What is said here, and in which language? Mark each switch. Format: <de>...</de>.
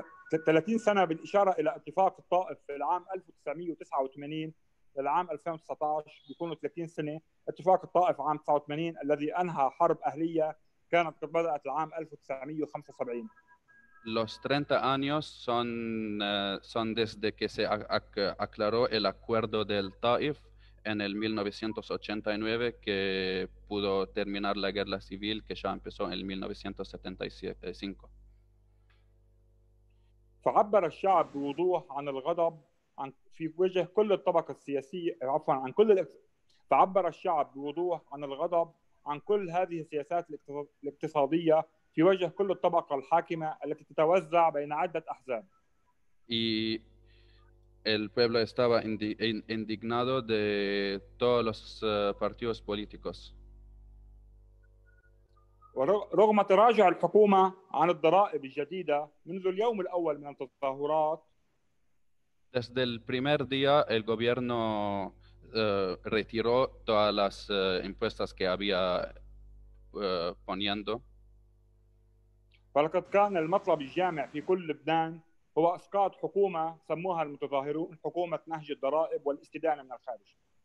<es>30 años</es> <ar>بالإشارة إلى اتفاق الطائف في العام 1989 للعام 2019 بيكونوا 30 سنة اتفاق الطائف عام 89 الذي أنهى حرب أهلية كانت قد بدأت العام 1975.</ar> <es>Los 30 años son desde que se aclaró el acuerdo del Taif en el 1989 que pudo terminar la guerra civil que ya empezó en el 1975.</es> <ar>فعبر الشعب بوضوح عن الغضب عن في وجه كل الطبقة السياسية عفوا عن كل فعبر الشعب بوضوح عن الغضب عن كل هذه السياسات الاقتصادية في وجه كل الطبقة الحاكمة التي تتوزع بين عدة أحزاب.</ar> <es>Y el pueblo estaba indignado de todos los partidos políticos.</es> <ar>ورغم تراجع الحكومة عن الضرائب الجديدة منذ اليوم الأول من التظاهرات.</ar> <es>Desde el primer día el gobierno retiró todas las impuestas que había poniendo.</es> <ar>فلقد كان المطلب الجامع في كل لبنان هو اسقاط حكومة سموها المتظاهرون حكومة نهج الضرائب والاستدانة من الخارج.</ar>